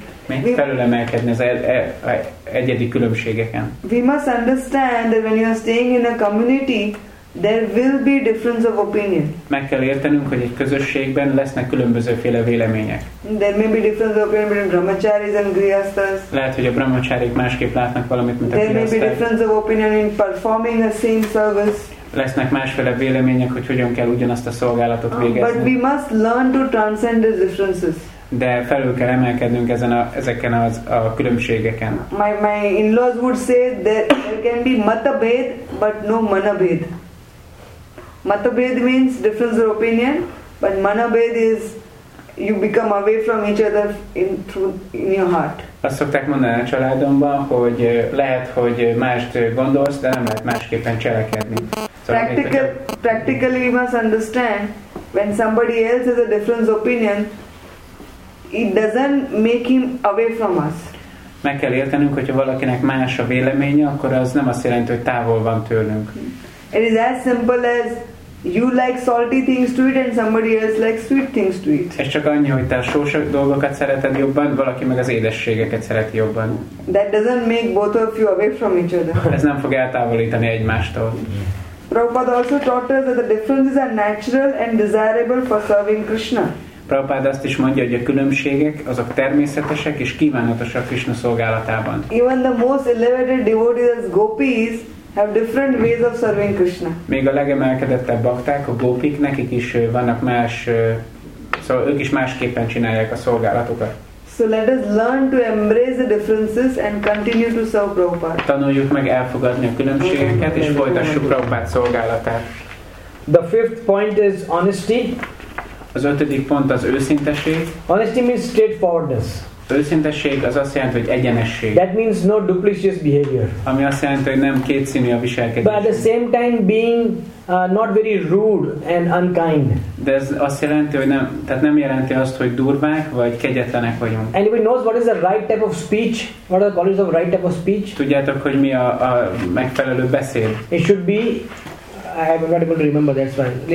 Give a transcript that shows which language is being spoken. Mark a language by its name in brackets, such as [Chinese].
[Hungarian] Mi felülemelkedni az egyedi különbségeken. [English] We must understand that when you are staying in a community, there will be difference of opinion. [Hungarian] Meg kell értenünk, hogy egy közösségben lesznek különbözőféle vélemények. [English] There may be difference of opinion between brahmacharis and grihasthas. [Hungarian] Lehet, hogy a brahmacharik másképp látnak valamit, mint a grihasthas. [English] There may be difference of opinion in performing the same service. [Hungarian] Lesznek másféle vélemények, hogy hogyan kell ugyanazt a szolgálatot végezni. [English] But we must learn to transcend the differences. [Hungarian] De felül kell emelkednünk ezeken a különbségeken. [English] My in-laws would say that there can be matabhed, but no manabhed. Matabhed means difference of opinion, but manabhed is you become away from each other in your heart. [Hungarian] Azt szokták mondani a családomban, hogy lehet, hogy mást gondolsz, de nem lehet másképpen cselekedni. [English] Practically you must understand, when somebody else has a difference of opinion, it doesn't make him away from us. [Hungarian] Meg kell értenünk, hogyha valakinek más a véleménye, akkor az nem azt jelenti, hogy távol van tőlünk. [English] It is as simple as you like salty things to eat and somebody else likes sweet things to eat. [Hungarian] Ez csak annyi, hogy te a sós dolgokat szereted jobban, valaki meg az édességeket szereti jobban. [English] That doesn't make both of you away from each other. [Hungarian] Ez nem fog eltávolítani egymástól. [English] Prabhupada also taught us that the differences are natural and desirable for serving Krishna. [Hungarian] Prabhupada azt is mondja, hogy a különbségek azok természetesek és kívánatosak Krishna szolgálatában. [English] Even the most elevated devotees as gopis have different ways of serving Krishna. [Hungarian] Még a legemelkedettebb bakták, a gopik, nekik is vannak más, szóval ők is másképpen csinálják a szolgálatukat. [English] So let us learn to embrace the differences and continue to serve Prabhupada. [Hungarian] Tanuljuk meg elfogadni a különbségeket és folytassuk Prabhupada szolgálatát. [English] The fifth point is honesty. [Hungarian] Az ötödik pont az őszinteség. [English] Honesty means straightforwardness. [Hungarian] Őszinteség az azt jelenti, hogy egyenesség. [English] That means no duplicitous behavior. [Hungarian] Ami azt jelenti, hogy nem kétszínű a viselkedés. [English] But at the same time being not very rude and unkind. [Hungarian] De ez azt jelenti, hogy nem, tehát nem jelenti azt, hogy durvák vagy kegyetlenek vagyunk. [English] Anybody knows what is the right type of speech? What are the qualities of right type of speech? [Hungarian] Tudjátok, hogy mi a megfelelő beszéd? [English] It should be, I am not able to remember, that's why.